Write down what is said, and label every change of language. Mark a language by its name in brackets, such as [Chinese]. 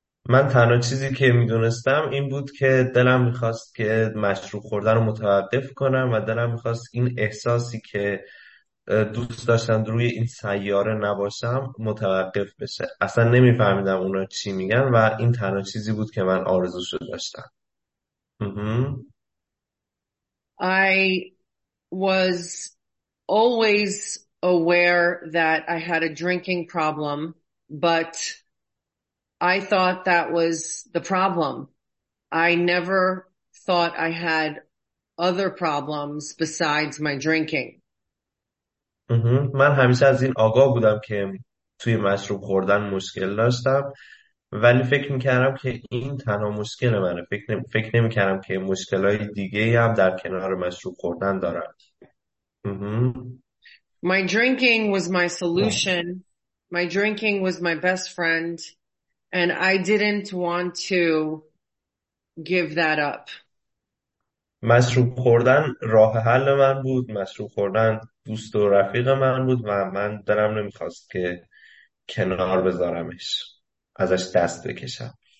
[Persian] من تنها چیزی که میدونستم این بود که دلم میخواست که مشروب خوردن رو متوقف کنم و دلم میخواست این احساسی که دوست داشتم روی این سیاره نباشم متوقف بشه. اصلا نمیفهمیدم اونا چی میگن و این تنها چیزی بود که من آرزوش رو داشتم. [English] I was always aware that I had a drinking problem, but I thought that was the problem. I never thought I had other problems besides my drinking. [Persian] من همیشه از این آگاه بودم که توی مشروب خوردن مشکل داشتم، ولی فکر میکردم که این تنها مشکل منه. فکر نمیکردم که مشکلهای دیگه هم در کنار مشروب خوردن دارم. [English] My drinking was my solution. My drinking was my best friend. And I didn't want to give that up. [Persian] مشروب خوردن راه حل من بود، مشروب خوردن دوست و رفیق من بود و من دلم نمیخواست که کنار بذارمش، ازش دست بکشم.